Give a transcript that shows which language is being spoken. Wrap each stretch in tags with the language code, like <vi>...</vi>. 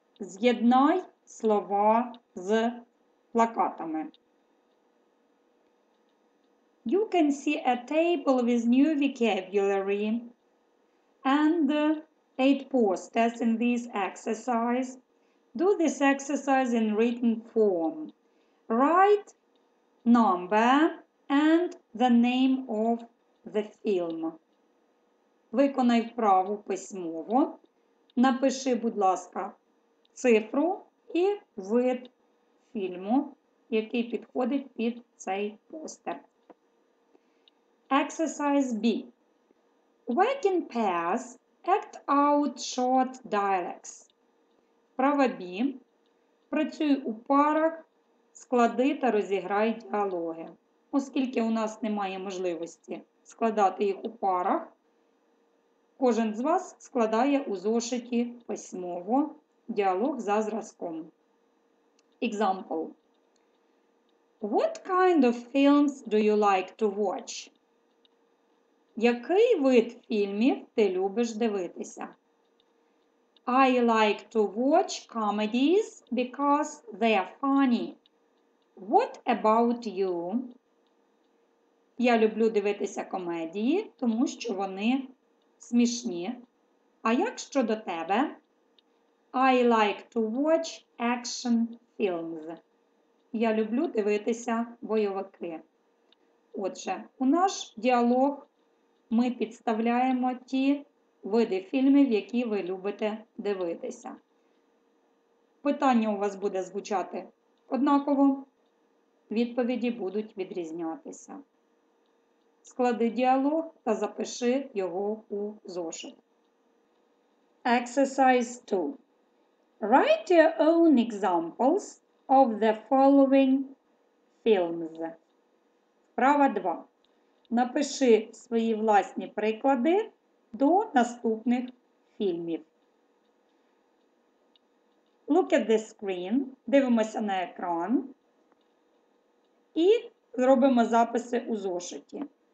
<uk>З'єднай слова з плакатами.</uk> <en>You can see a table with new vocabulary and 8 posters in this exercise. Do this exercise in written form. Write number and the name of the film.</en> <uk>Виконай вправу письмово. Напиши, будь ласка, цифру і вид фільму, який підходить під цей постер.</uk> <en>Exercise B. Work in pairs, act out short dialogues.</en> <uk>Вправа B. Працюй у парах, склади та розіграй діалоги. Оскільки у нас немає можливості складати їх у парах, кожен з вас складає у зошиті письмово діалог за зразком.</uk> <en>Example. What kind of films do you like to watch?</en> <uk>Який вид фільмів ти любиш дивитися?</uk> <en>I like to watch comedies because they are funny. What about you?</en> <uk>Я люблю дивитися комедії, тому що вони смішні. А як щодо тебе?</uk> <en>I like to watch action films.</en> <uk>Я люблю дивитися бойовики. Отже, у наш діалог ми підставляємо ті види фільмів, які ви любите дивитися. Питання у вас буде звучати однаково, відповіді будуть відрізнятися. Склади діалог та запиши його у зошит.</uk> <en>Exercise 2. Write your own examples of the following films.</en> <uk>Вправа 2. Напиши свої власні приклади до наступних фільмів.</uk> <en>Look at the screen.</en> <uk>Дивимося на екран. І зробимо записи у зошиті.</uk>